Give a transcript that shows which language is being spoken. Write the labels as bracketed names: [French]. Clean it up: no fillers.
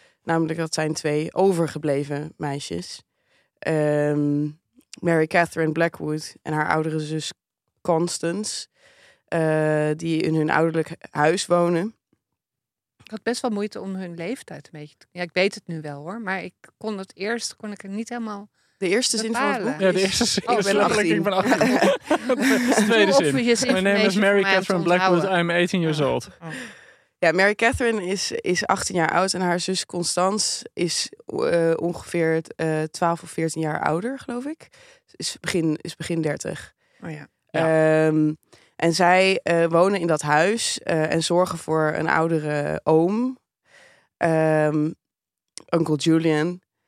[Dutch] Namelijk dat zijn 2 overgebleven meisjes. Mary Catherine Blackwood en haar oudere zus Constance. Die in hun ouderlijk huis wonen. Ik had best wel moeite om hun leeftijd een beetje te... Ja, ik weet het nu wel hoor. Maar ik kon het eerst kon ik er niet helemaal... De eerste zin van het boek? Ja, de eerste zin. Oh, ben 18. Ik ben 18. De tweede zin. Mijn naam is [English] Mary Catherine Blackwood. I'm 18 years old. Oh. [Dutch] Ja, Mary Catherine is 18 jaar oud en haar zus Constance is ongeveer 12 of 14 jaar ouder, geloof ik. Is begin 30. Oh ja. Ja. En zij wonen in dat huis en zorgen voor een oudere oom, Uncle Julian.